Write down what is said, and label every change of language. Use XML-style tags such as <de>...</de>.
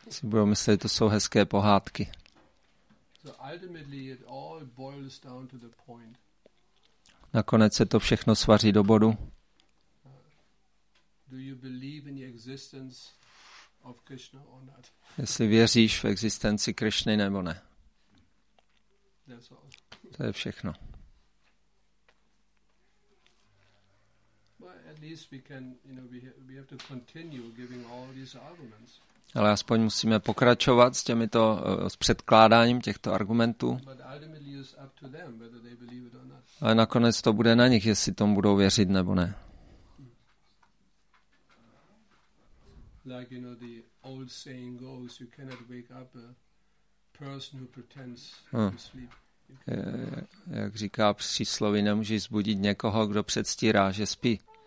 <cs>Si budou myslet, to jsou hezké pohádky.</cs> <en>So ultimately it all boils down to the point.</en> <cs>Nakonec se to všechno svaří do bodu.</cs> <en>Do you believe in the existence of Krishna or not?</en> <cs>Jestli věříš v existenci Krishny nebo ne.</cs> <en>That's all.</en> <cs>To je všechno.</cs> <en>But at least we can, you know, we have to continue giving all these arguments.</en> <cs>Ale aspoň musíme pokračovat s těmito s předkládáním těchto argumentů.</cs> <en>But ultimately it's up to them whether they believe it or not.</en> <cs>Ale nakonec to bude na nich, jestli tomu budou věřit nebo ne.</cs> <en>Like, you know, the old saying goes, you cannot wake up a person who pretends to sleep.</en> <cs>Jak říká přísloví, nemůžeš zbudit někoho, kdo předstírá, že spí.</cs>